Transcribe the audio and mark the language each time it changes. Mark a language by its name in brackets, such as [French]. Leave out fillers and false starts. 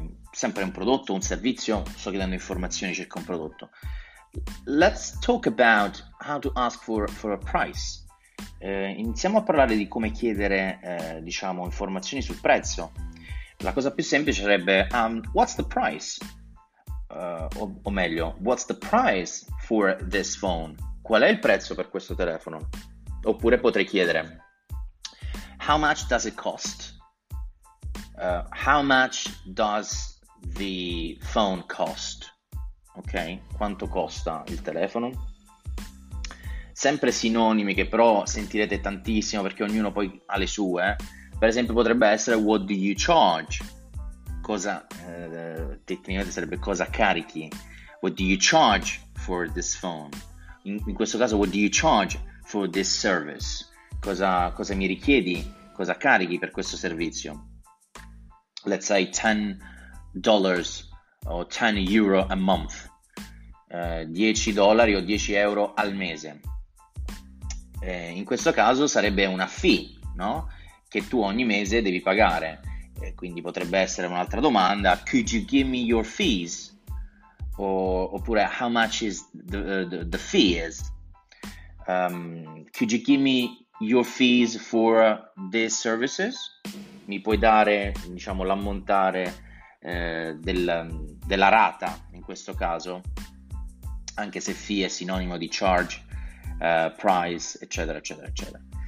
[Italian] Sempre un prodotto, un servizio, sto chiedendo informazioni circa un prodotto. [English] Let's talk about how to ask for a price. [Italian] Iniziamo a parlare di come chiedere, diciamo, informazioni sul prezzo. La cosa più semplice sarebbe [English] what's the price? [Italian] O meglio, [English] what's the price for this phone? [Italian] Qual è il prezzo per questo telefono? Oppure potrei chiedere [English] how much does it cost? How much does the phone cost? [Italian] Ok, quanto costa il telefono? Sempre sinonimi che però sentirete tantissimo perché ognuno poi ha le sue. Per esempio potrebbe essere [English] what do you charge? [Italian] Cosa, tecnicamente sarebbe cosa carichi? [English] What do you charge for this phone? [Italian] In questo caso [English] what do you charge for this service? [Italian] Cosa mi richiedi? Cosa carichi per questo servizio? [English] Let's say $10 o €10 a month. [Italian] $10 o €10 al mese. In questo caso sarebbe una fee, no? Che tu ogni mese devi pagare. Quindi potrebbe essere un'altra domanda. [English] Could you give me your fees? [Italian] Oppure [English] how much is the fee is? Could you give me your fees for these services? [Italian] Mi puoi dare, diciamo, l'ammontare della rata in questo caso, anche se fee è sinonimo di charge, price, eccetera, eccetera, eccetera.